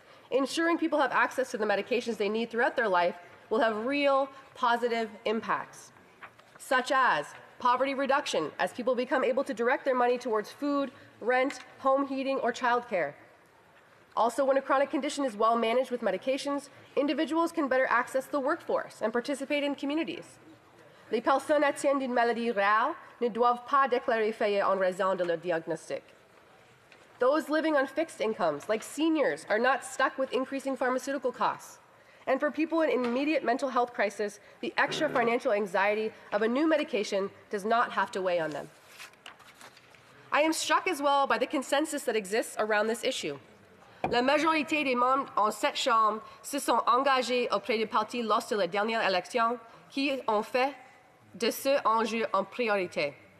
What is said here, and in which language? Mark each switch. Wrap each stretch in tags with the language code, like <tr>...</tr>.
<en>Ensuring people have access to the medications they need throughout their life will have real, positive impacts, such as poverty reduction as people become able to direct their money towards food, rent, home heating, or childcare. Also, when a chronic condition is well managed with medications, individuals can better access the workforce and participate in communities.</en> <fr>Les personnes atteintes d'une maladie rare ne doivent pas déclarer faillite en raison de leur diagnostic.</fr> <en>Those living on fixed incomes, like seniors, are not stuck with increasing pharmaceutical costs. And for people in immediate mental health crisis, the extra financial anxiety of a new medication does not have to weigh on them. I am struck as well by the consensus that exists around this issue.</en> <fr>La majorité des membres en cette chambre se sont engagés auprès du parti lors de la dernière élection qui ont fait de ce enjeu en priorité.</fr>